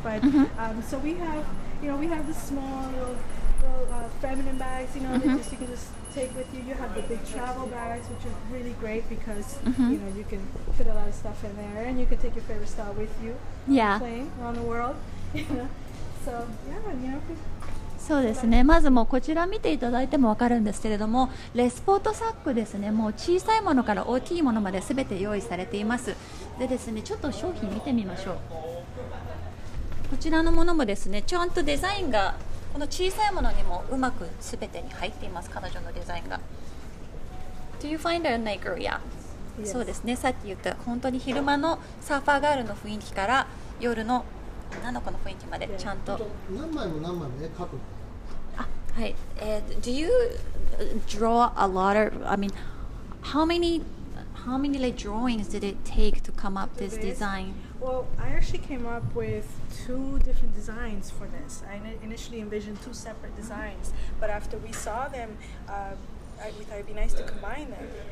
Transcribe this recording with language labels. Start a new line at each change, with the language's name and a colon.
English: But so we have, you know, we have the small little feminine bags, you know, that just, you can just take with you. You have the big travel bags, which are really great because, you know, you can fit a lot of stuff in there and you can take your favorite style with you on the plane around the world. So, yeah, you know,
Japanese: そうですね、まずもうこちら見ていただいても分かるんですけれども、レスポートサックですね、もう小さいものから大きいものまで全て用意されています。でですね、ちょっと商品見てみましょう。こちらのものもですね、ちゃんとデザインがこの小さいものにもうまく全てに入っています。彼女のデザインが
English: Do you find her in Nigeria? Yes.
Japanese: そうですね、さっき言った本当に昼間のサーファーガールの雰囲気から夜の女の子の雰囲気までちゃんと、何枚も何枚も絵描くの？
English: はい、Do you draw a lot of, I mean, how many like drawings did it take to come up this design? Well, I actually came up with two different designs for this. I initially envisioned two separate designs, but after we saw them, we thought it'd be nice to combine them.